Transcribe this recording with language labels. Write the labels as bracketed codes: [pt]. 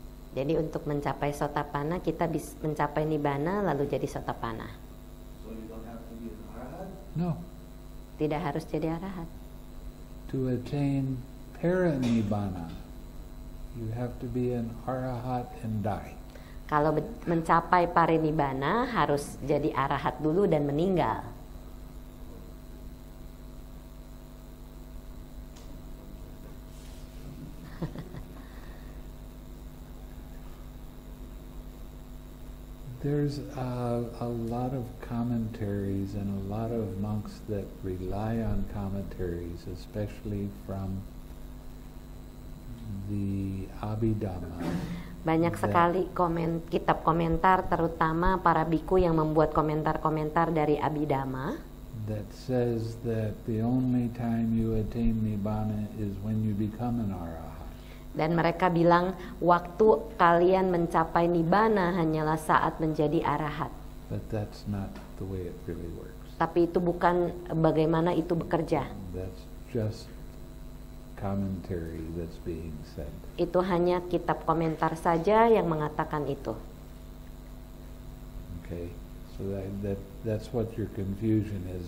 [id] Jadi untuk mencapai sotapana, kita bisa mencapai nibbana lalu jadi sotapana. [en] So you don't have to be an arahat? No. [id] Tidak harus jadi arahat. [en] To attain paranibbana, you have to be an arahat and die. [id] Kalau mencapai parinibbana, harus jadi arahat dulu dan meninggal. [en] There's a lot of commentaries and a lot of monks that rely on commentaries, especially from the Abhidhamma. [id] Banyak sekali kitab komentar, terutama para bhikkhu yang membuat komentar-komentar dari Abhidhamma. [en] that says that the only time you attain nibbana is when you become an arahat. [id] Dan mereka bilang waktu kalian mencapai nibbana hanyalah saat menjadi arahat. [en] But that's not the way it really works. [id] Tapi itu bukan bagaimana itu bekerja. [en] That's just commentary that's being said. [id] Itu hanya kitab komentar saja yang mengatakan itu. [en] Okay. So that's what your confusion is.